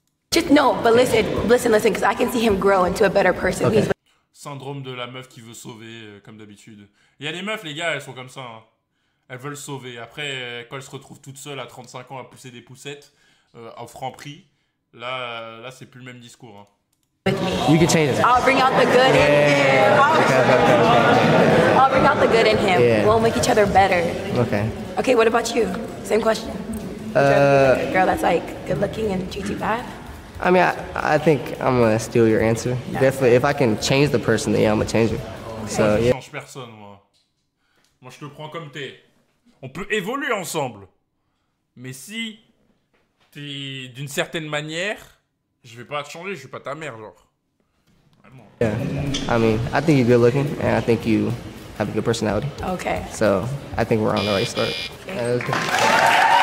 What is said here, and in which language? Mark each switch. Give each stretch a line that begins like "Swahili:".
English: Just, no, but listen, because I can see him grow into a better person. Okay.
French: Syndrome de la meuf qui veut sauver, comme d'habitude. Il y a des meufs, les gars, elles sont comme ça. Hein. Elles veulent sauver. Après, quand elles se retrouvent toutes seules à 35 ans à pousser des poussettes, en franc prix, là, c'est plus le même discours. Hein.
English: You can change it. I'll bring out the good in him. I'll bring out the good in him. Yeah. We'll make each other better. Okay. Okay, what about you? Same question. Like a girl that's like good looking and treats you bad? I mean, I think I'm gonna steal your answer. Yeah. Definitely, if I can change the person, then yeah, I'm gonna change her. So, yeah.
French: Moi, je change personne, moi. Moi, je te prends comme t'es. On peut évoluer ensemble. Mais si t'es d'une certaine manière, je vais pas te changer, je suis pas ta mère, genre. Vraiment.
English: Yeah, I mean, I think you're good looking, and I think you have a good personality. Okay. So, I think we're on the right start. Okay.